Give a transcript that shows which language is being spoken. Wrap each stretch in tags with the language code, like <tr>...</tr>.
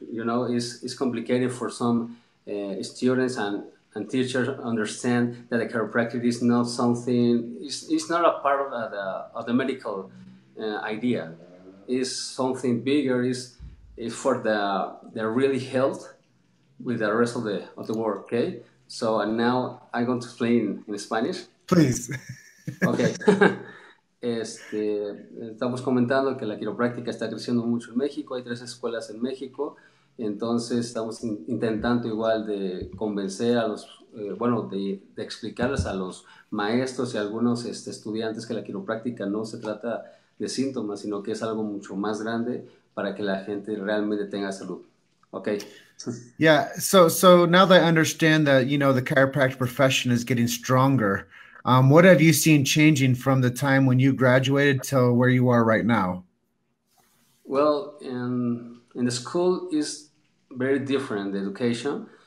<en>You know, it's complicated for some students and teachers understand that a chiropractic is not something, it's not a part of the medical idea. It's something bigger, it's for the really health with the rest of the world, okay? So and now I'm going to explain in Spanish. Please.</en> <es>Okay, estamos comentando que la quiropráctica está creciendo mucho en México, hay tres escuelas en México, entonces estamos intentando igual de convencer a los, de explicarles a los maestros y a algunos estudiantes que la quiropráctica no se trata de síntomas, sino que es algo mucho más grande para que la gente realmente tenga salud.</es> <en>Okay. Yeah, so now that I understand that, you know, the chiropractic profession is getting stronger, what have you seen changing from the time when you graduated to where you are right now? Well, in the school is very different, the education.</en>